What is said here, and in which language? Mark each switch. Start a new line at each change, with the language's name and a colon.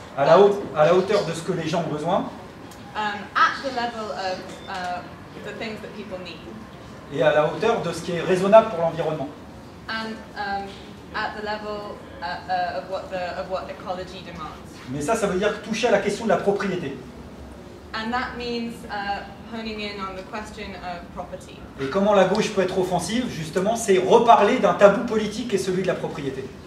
French: À la hauteur de ce que les gens ont besoin.
English: At the level of the things that people need.
French: Et à la hauteur de ce qui est raisonnable pour l'environnement.
English: And at the level of what ecology demands.
French: Mais ça veut dire toucher à la question de la propriété.
English: And that means honing in on the question of property.
French: Et comment la gauche peut être offensive, justement, c'est reparler d'un tabou politique qui est celui de la propriété.